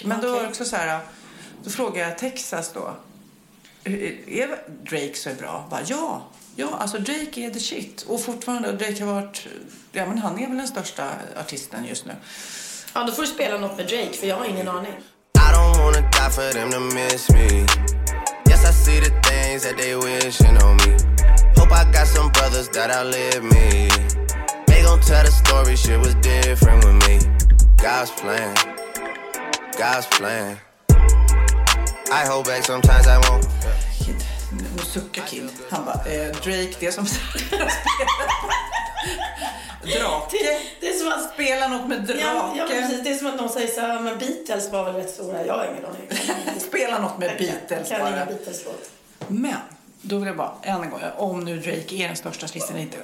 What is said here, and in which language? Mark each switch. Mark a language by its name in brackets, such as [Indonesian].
[Swedish] Men okay. Då är också så här, då frågar jag Texas då. Är Drake så bra? Bara, ja. Ja, alltså Drake är [English] the shit. [Swedish] Och fortfarande, Drake har varit... Ja, men han är väl den största artisten just nu. Ja, då får du spela något med Drake, för jag har ingen aning. [English] I don't wanna die for them to miss me. Yes, I see the things that they wishing on me. Hope I got some brothers that outlive me. They gon' tell the story, shit was different with me. God's plan. God's plan. I hold back, sometimes I won't. [Swedish] Nu suckar Kid. Han bara, Drake, det är som... drake. Det är som att spela något med drake. Ja, precis. Det är som att någon säger så här, men Beatles var väl rätt stora. Jag har ingen aning. Spela något med Beatles. Kan inga Beatles-låt. Men, då vill jag bara, en gång, om nu Drake är den största artisten, inte.